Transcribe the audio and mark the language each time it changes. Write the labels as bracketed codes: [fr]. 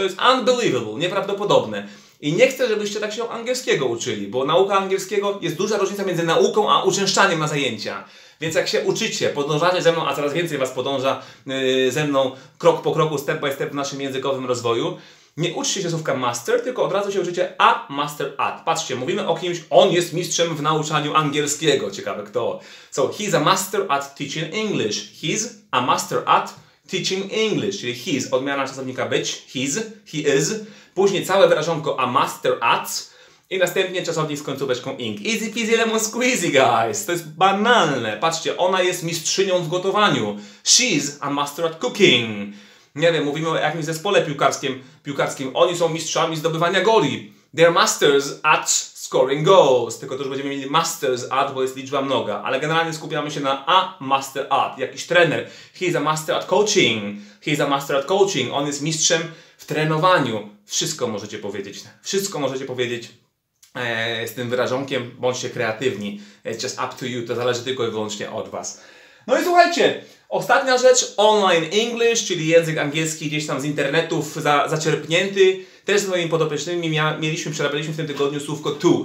[pl] To jest unbelievable, nieprawdopodobne. I nie chcę, żebyście tak się angielskiego uczyli, bo nauka angielskiego, jest duża różnica między nauką a uczęszczaniem na zajęcia. Więc jak się uczycie, podążacie ze mną, a coraz więcej Was podąża ze mną krok po kroku, [en] step by step [pl] w naszym językowym rozwoju, nie uczcie się słówka master, tylko od razu się uczycie [en] a master at. [pl] Patrzcie, mówimy o kimś, on jest mistrzem w nauczaniu angielskiego. Ciekawe kto. [en] So, he's a master at teaching English. He's a master at teaching English. [pl] Czyli he's, odmiana czasownika być. [en] He's, he is. [pl] Później całe wyrażonko [en] a master at. [pl] I następnie czasownik z końcóweczką ing. [en] Easy peasy lemon squeezy, guys. [pl] To jest banalne. Patrzcie, ona jest mistrzynią w gotowaniu. [en] She's a master at cooking. [pl] Nie wiem, mówimy o jakimś zespole piłkarskim. Oni są mistrzami zdobywania goli. [en] They're masters at scoring goals. [pl] Tylko to już będziemy mieli [en] masters at, [pl] bo jest liczba mnoga. Ale generalnie skupiamy się na [en] a master at. [pl] Jakiś trener. [en] He's a master at coaching. He's a master at coaching. [pl] On jest mistrzem w trenowaniu. Wszystko możecie powiedzieć. Wszystko możecie powiedzieć z tym wyrażonkiem, bądźcie kreatywni, [en] it's just up to you, [pl] to zależy tylko i wyłącznie od Was. No i słuchajcie, ostatnia rzecz, online English, czyli język angielski gdzieś tam z internetów zaczerpnięty, też z moimi podopiecznymi przerabialiśmy w tym tygodniu słówko to.